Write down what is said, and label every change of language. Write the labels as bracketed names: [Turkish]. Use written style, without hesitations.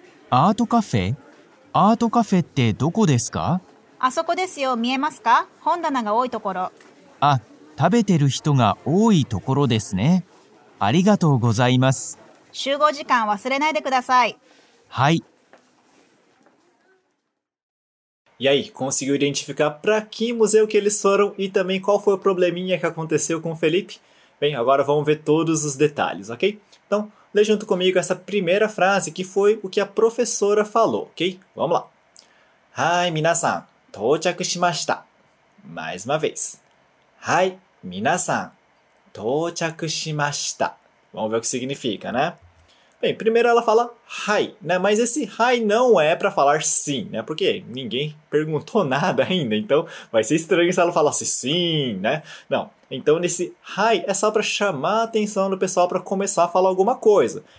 [Japanese] アートカフェ? アートカフェってどこですか? あそこですよ。見えますか?本棚が多いところ。食べてる人が多いところですね。ありがとうございます。集合時間忘れないでください。はい。 [Portuguese] E aí, conseguiu identificar para que museu que eles foram e também qual foi o probleminha que aconteceu com o Felipe? Bem, agora vamos ver todos os detalhes, ok? Então, lê junto comigo essa primeira frase que foi o que a professora falou, ok? Vamos lá. [Japanese] Hai, minasan. 到着しました。 [Portuguese] Mais uma vez. [Japanese] はい、皆さん、到着しました。 [Portuguese] Vamos ver o que significa, né? Bem, primeiro ela fala hi, né? Mas esse hi não é pra falar sim, né? Porque ninguém perguntou nada ainda. Então, vai ser estranho se ela falasse sim, né? Não. Então, nesse hi é só pra chamar a atenção do pessoal pra começar a falar alguma coisa.